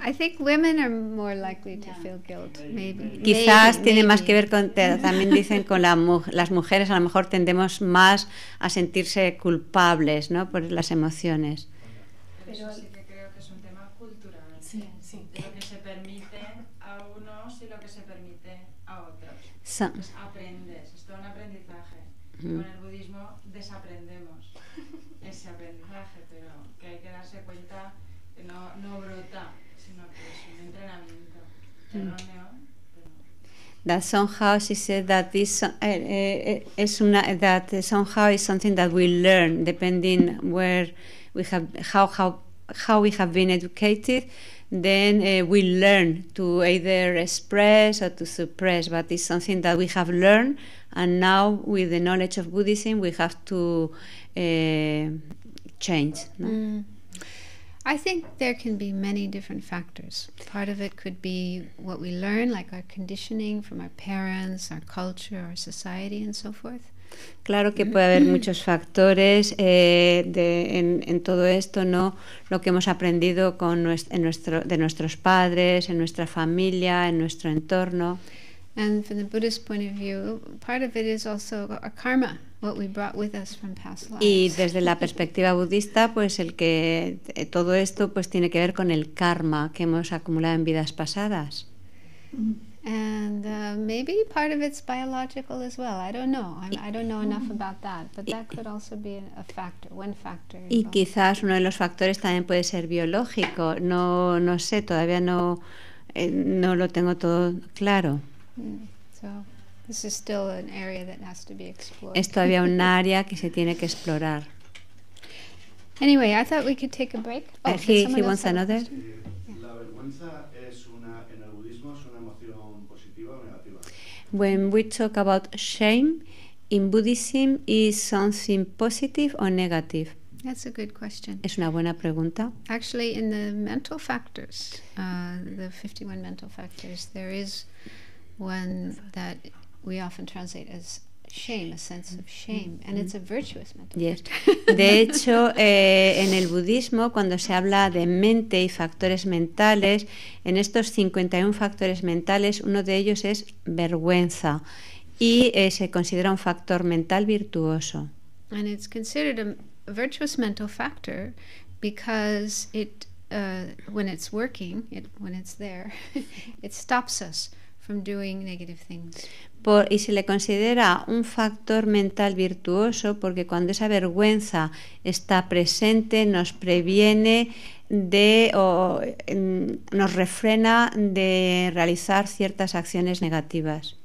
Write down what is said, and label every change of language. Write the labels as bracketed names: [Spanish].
[English] I think women are more likely to feel guilt, maybe. [Spanish] Quizás tiene más que ver con, también dicen, con las mujeres a lo mejor tendemos más a sentirse culpables, ¿no? Por las emociones. Pero sí que creo que es un tema cultural. Sí, sí. Lo que se permite a unos y lo que se permite a otros. [English] So. [Spanish] Pues aprendes, es todo un aprendizaje. Mm. Con el budismo desaprendemos ese aprendizaje, pero que hay que darse cuenta que no brota, sino que es un entrenamiento erróneo. [English] That somehow she said that this that somehow is something that we learn depending where we have how we have been educated, then we learn to either express or to suppress, but it's something that we have learned, and now with the knowledge of Buddhism we have to change. No? Mm. I think there can be many different factors. Part of it could be what we learn, like our conditioning from our parents, our culture, our society, and so forth. [Spanish] Claro que puede haber muchos factores en todo esto, ¿no? Lo que hemos aprendido de nuestros padres, en nuestra familia, en nuestro entorno. [English] And from the Buddhist point of view, part of it is also our karma. What we brought with us from past lives. [Spanish] Y desde la perspectiva budista, pues el que todo esto pues tiene que ver con el karma que hemos acumulado en vidas pasadas. [English] And maybe part of it's biological as well. I don't know. I don't know enough about that, but that could also be a factor, one factor. [Spanish] Y quizás uno de los factores también puede ser biológico. No sé, todavía no lo tengo todo claro. [English] So this is still an area that has to be explored. [Spanish] Es todavía un área que se tiene que explorar. [English] Anyway, I thought we could take a break. Oh, he wants another. [Spanish] Sí. La vergüenza es una, en el budismo es una emoción positiva o negativa. [English] When we talk about shame, in Buddhism is something positive or negative? That's a good question. [Spanish] Es una buena pregunta. [English] Actually, in the mental factors, the 51 mental factors, there is one that we often translate as shame, a sense of shame, and it's a virtuous mental. Yes. [Spanish] De hecho, en el budismo, cuando se habla de mente y factores mentales, en estos 51 factores mentales, uno de ellos es vergüenza, y se considera un factor mental virtuoso. [English] And it's considered a virtuous mental factor because it, when it's working, when it's there, it stops us from doing negative things. [Spanish] Y se le considera un factor mental virtuoso porque cuando esa vergüenza está presente nos previene nos refrena de realizar ciertas acciones negativas.